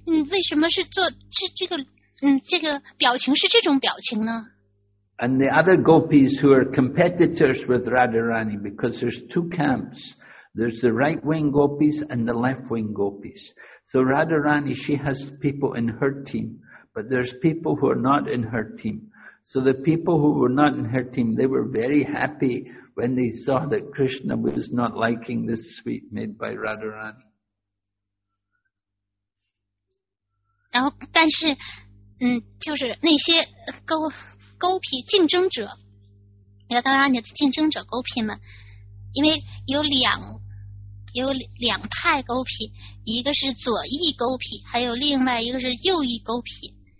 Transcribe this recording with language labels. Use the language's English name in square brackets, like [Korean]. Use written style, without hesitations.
[Chinese] 为什么是做这个表情是这种表情呢？ [English] And the other gopis who are competitors with Radharani, because there's two camps, there's the right wing gopis and the left wing gopis. So Radharani, she has people in her team, but there's people who are not in her team. So the people who were not in her team, they were very happy when they saw that Krishna was not liking this sweet made by Radharani. [Chinese] 然后但是就是那些勾皮竞争者，Radharani的竞争者勾皮们，因为有两派勾皮，一个是左翼勾皮，还有另外一个是右翼勾皮。